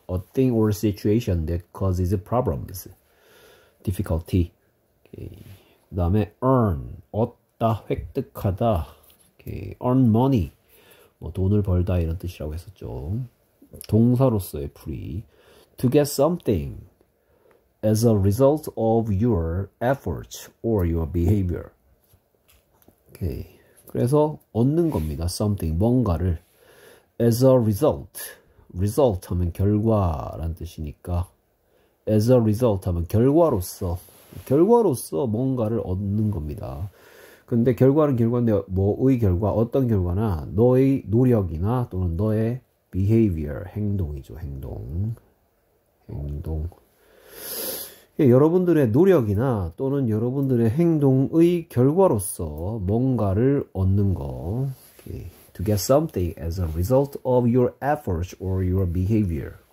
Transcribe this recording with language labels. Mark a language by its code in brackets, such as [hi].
[en] A thing or situation that causes problems. difficulty. [ko] 오케이. 그다음에 earn. 얻다, 획득하다. 오케이. [en] earn money. [ko] 뭐 돈을 벌다 이런 뜻이라고 했었죠. 동사로서의 풀이. [en] To get something. As a result of your efforts or your behavior. [ko] 오케이. 그래서 얻는 겁니다. Something, 뭔가를. [en] As a result. [ko] Result 하면 결과란 뜻이니까. [en] As a result [ko] 하면 결과로서. 결과로서 뭔가를 얻는 겁니다. 근데 결과는 결과인데, 뭐의 결과, 어떤 결과나 너의 노력이나 또는 너의 behavior, 행동이죠. 행동. 행동. 예, 여러분들의 노력이나 또는 여러분들의 행동의 결과로서 뭔가를 얻는 거. [en] Okay. To get something as a result of your efforts or your behavior.